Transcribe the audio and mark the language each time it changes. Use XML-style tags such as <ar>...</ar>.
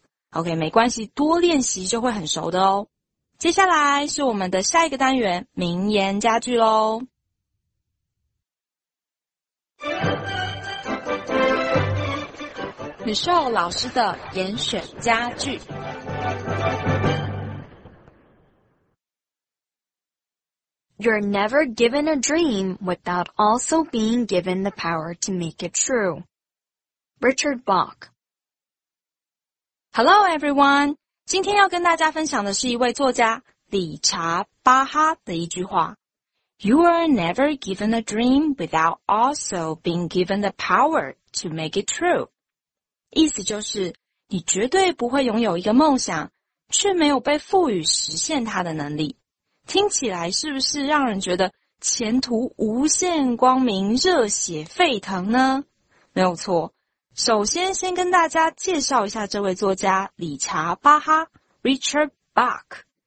<zh>OK， 没关系，多练习就会很熟的哦。接下来是我们的下一个单元，名言佳句咯。 Michelle 老师的严选佳句。</zh> <en>You're never given a dream without also being given the power to make it true. Richard Bach. Hello everyone.</en> <zh>今天要跟大家分享的是一位作家理查·巴哈的一句话。</zh> <en>You are never given a dream without also being given the power to make it true.</en> <zh>意思就是你绝对不会拥有一个梦想却没有被赋予实现它的能力。听起来是不是让人觉得前途无限光明，热血沸腾呢？没有错。首先先跟大家介绍一下这位作家理查·巴哈 Richard Bach。</zh>